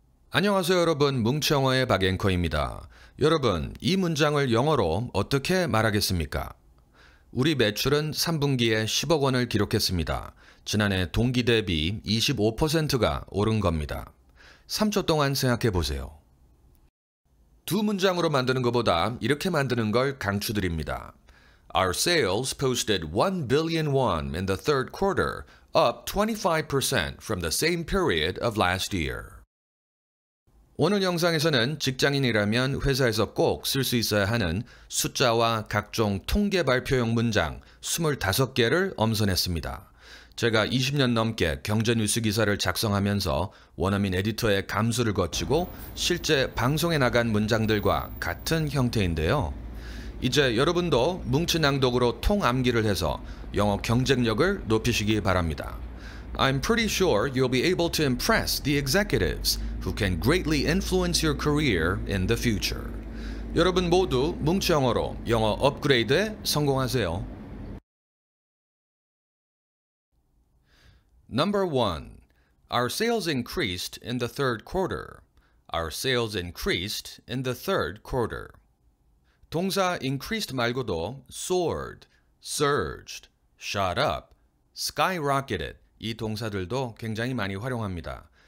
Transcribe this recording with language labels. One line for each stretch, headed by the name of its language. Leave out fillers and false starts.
Korean: 안녕하세요 여러분, 뭉치영어의 박앵커입니다. 여러분, 이 문장을 영어로 어떻게 말하겠습니까? 우리 매출은 3분기에 10억 원을 기록했습니다. 지난해 동기 대비 25%가 오른 겁니다. 3초 동안 생각해 보세요. 두 문장으로 만드는 것보다 이렇게 만드는 걸 강추드립니다.
English: Our sales posted 1 billion won in the third quarter, up 25% from the same period of last year.
Korean: 오늘 영상에서는 직장인이라면 회사에서 꼭 쓸 수 있어야 하는 숫자와 각종 통계 발표용 문장 25개를 엄선했습니다. 제가 20년 넘게 경제 뉴스 기사를 작성하면서 원어민 에디터의 감수를 거치고 실제 방송에 나간 문장들과 같은 형태인데요. 이제 여러분도 뭉치낭독으로 통암기를 해서 영어 경쟁력을 높이시기 바랍니다.
English: I'm pretty sure you'll be able to impress the executives who can greatly influence your career in the future.
Korean: 여러분 모두 뭉치영어로 영어 업그레이드에 성공하세요.
English: Number 1. Our sales increased in the third quarter. Our sales increased in the third quarter. 동사 increased 말고도 soared, surged, shot up, skyrocketed
Korean: 이 동사들도 굉장히 많이 활용합니다.